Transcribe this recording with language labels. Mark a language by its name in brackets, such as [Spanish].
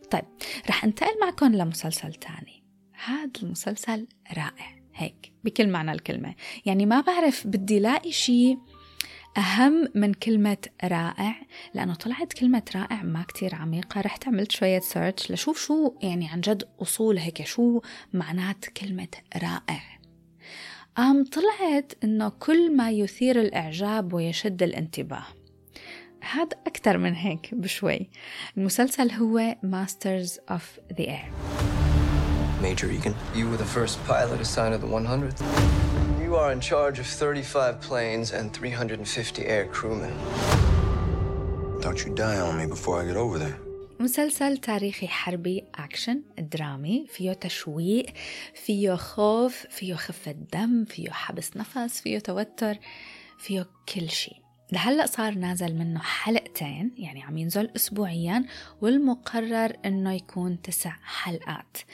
[Arabic] طيب رح انتقل معكم لمسلسل تاني. هذا المسلسل رائع هيك بكل معنى الكلمة، يعني ما بعرف بدي لاقي شيء أهم من كلمة رائع، لأنه طلعت كلمة رائع ما كتير عميقة. رحت عملت شوية سيرتش لشوف شو يعني عن جد أصول هيك شو معنات كلمة رائع. طلعت إنه كل ما يثير الإعجاب ويشد الانتباه، هاد أكتر من هيك بشوي. المسلسل هو Masters of the Air. [English] Major Egan, you were the first pilot assigned to the 100th. You are in charge of 35 planes and 350 air crewmen. Don't you die on me before I get over there. [Arabic] مسلسل تاريخي حربي أكشن درامي، فيه تشويق، فيه خوف، فيه خفة دم، فيه حبس نفس، فيه توتر، فيه كل شيء. لهلأ صار نازل منه حلقتين، يعني عم ينزل أسبوعيا، والمقرر أنه يكون 9 حلقات.